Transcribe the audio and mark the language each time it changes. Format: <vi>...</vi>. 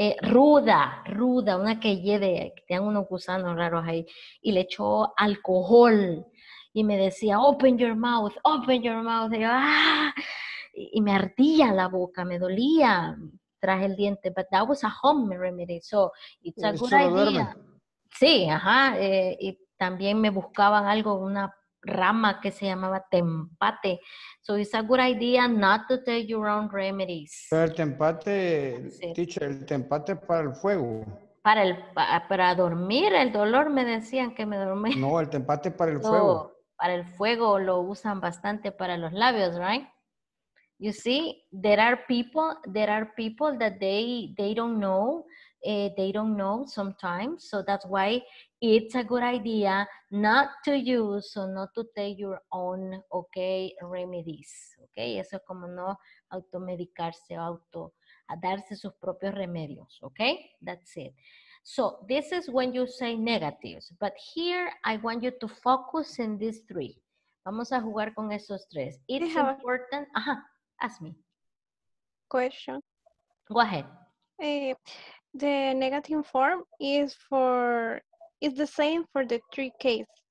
<es>Ruda, una que lleve, que tengan unos gusanos raros ahí, y le echó alcohol. Y me decía,</es> <en>open your mouth,</en> <es>y yo, ¡ah! Y me ardía la boca, me dolía, traje el diente,</es> <en>but that was a home remedy, so it's a good idea.</en> <es>Sí, ajá, y también me buscaban algo, una rama que se llamaba tempate.</es> <en>So it's a good idea not to take your own remedies.</en> <es>Pero el tempate, teacher, el tempate es para el fuego. Para dormir el dolor, me decían que me dormía. No, el tempate es para el fuego. Para el fuego lo usan bastante para los labios, right?</es> <en>You see, there are people that they don't know. They don't know sometimes, so that's why it's a good idea not to use or not to take your own, okay, remedies, okay?</en> <es>Eso es como no automedicarse, auto, a darse sus propios remedios, okay?</es> <en>That's it. So this is when you say negatives, but here I want you to focus in these three.</en> <es>Vamos a jugar con esos tres.</es> <en>It is important. Ask me. Question. Go ahead. The negative form is the same for the three cases.</en>